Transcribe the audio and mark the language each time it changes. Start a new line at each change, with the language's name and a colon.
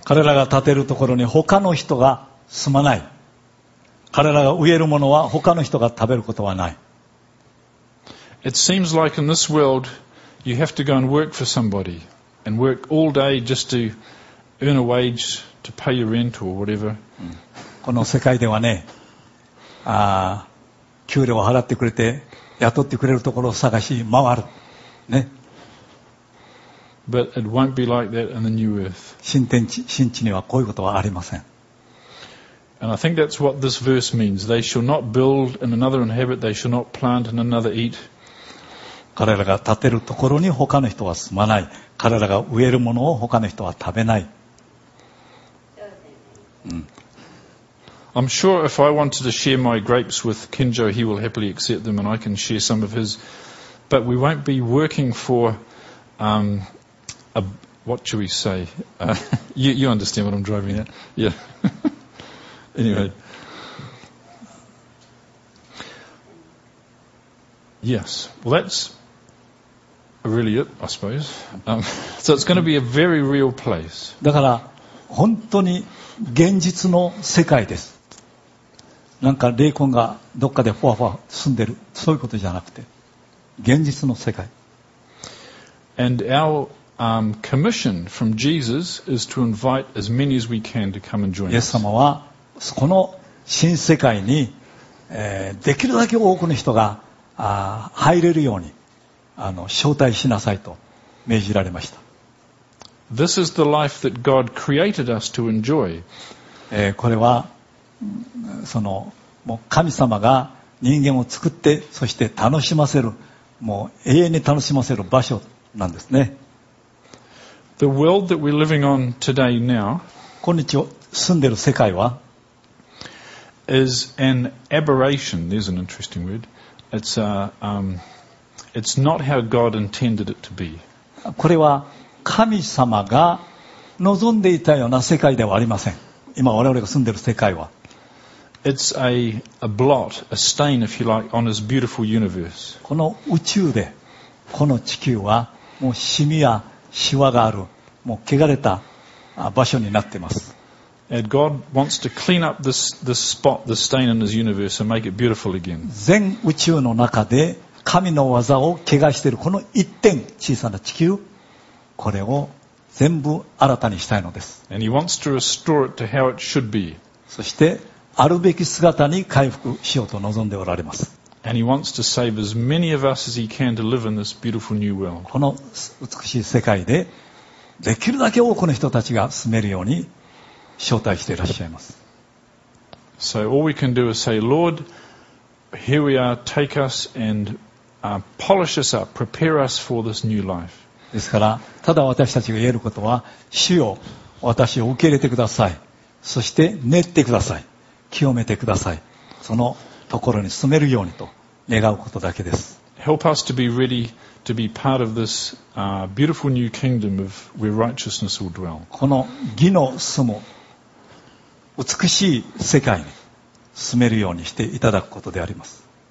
Japanese: 彼らが建てるところに他の人が住まない。彼らが植えるものは他の人が食べることはない。
English: It seems like in this world you have to go and work for somebody and work all day just to earn a wage. To pay your rent or whatever.
Japanese: この世界ではね、給料を払ってくれて雇ってくれるところを探し回る、ね、
English: But it won't be like that in the new earth.
Japanese: 新地にはこういうことはありません。
English: And I think that's what this verse means. They shall not build and another inhabit. They shall not plant and another eat.
Japanese: 彼らが建てるところに他の人は住まない。彼らが植えるものを他の人は食べない。
English: I'm sure if I wanted to share my grapes with Kenjo, he will happily accept them and I can share some of his. But we won't be working for, what should we say? You understand what I'm driving at? Yeah. Anyway. Yes. Well, that's really it, I suppose. So it's going to be a very real place.
Japanese: だから本当に現実の世界です。なんか霊魂がどっかでフワフワ住んでる、そういうことじゃなくて現実の世界。
English: And our commission from Jesus is to invite as many as we can to come and join us.
Japanese: イエス様はこの新世界に、できるだけ多くの人が入れるように招待しなさいと命じられました。
English: This is the life that God created us to enjoy.
Japanese: これはそのもう神様が人間を作ってそして楽しませるもう永遠に楽しませる場所なんですね。
English: The world that we're living on today now,
Japanese: 今日住んでる世界は
English: is an aberration. There's an interesting word. It's not how God intended it to be.
Japanese: これは神様が望んでいたような世界ではありません。今我々が住んでいる世界は。
English: It's a blot, a stain, if you like, on his beautiful universe.
Japanese: この宇宙で、この地球は、もうシミやシワがある、もう汚れた場所になってます。
English: And God wants to clean up this spot, the stain in His universe, and make it beautiful again.
Japanese: 全宇宙の中で神の技を汚しているこの一点、小さな地球、これを全部新たにしたいのです。
English: And He wants to restore it to how it should be.
Japanese: そしてあるべき姿に回復しようと望んでおられます。
English: And He wants to save as many of us as He can to live in this beautiful new world.
Japanese: この美しい世界でできるだけ多くの人たちが住めるように招待していらっしゃいます。
English: So all we can do is say, Lord, here we are, take us and polish us up, prepare us for this new life.
Japanese: ですから、ただ私たちが言えることは、主よ、私を受け入れてください。そして練ってください。清めてください。そのところに住めるようにと願うことだけです。
English: Help us to be ready to be part of this beautiful new kingdom of where righteousness will dwell.
Japanese: この義の住む美しい世界に住めるようにしていただくことであります。